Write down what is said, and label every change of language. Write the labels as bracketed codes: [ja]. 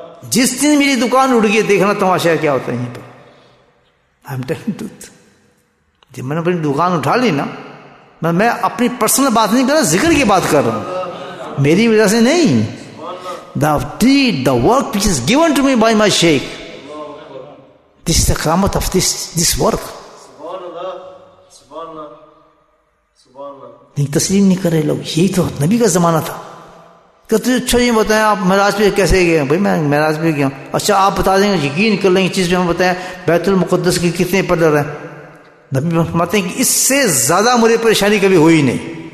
[ur] جس دن میری دکان اڑ گئی دیکھنا تماشا کیا ہوتا ہے یہاں پر. [en] I am telling truth, [ur] جب میں نے اپنی دکان اٹھا لی نا, میں اپنی پرسنل بات نہیں کر رہا, ذکر کی بات کر رہا ہوں, میری وجہ سے نہیں. [en] The tree the work which is given to me by my شیخ, this is the کرامت of this work. [ur] نہیں تسلیم نہیں کر رہے لوگ, یہی تو نبی کا زمانہ تھا. کہ تجھے اچھا یہ بتائیں آپ معراج پہ کیسے گئے. بھائی میں معراج پہ گیا. اچھا آپ بتا دیں گے, یقین کر لیں گے چیز پہ ہمیں بتائیں, بیت المقدس کے کتنے پلر ہیں. نبی فرماتے ہیں کہ اس سے زیادہ مجھے پریشانی کبھی ہوئی نہیں.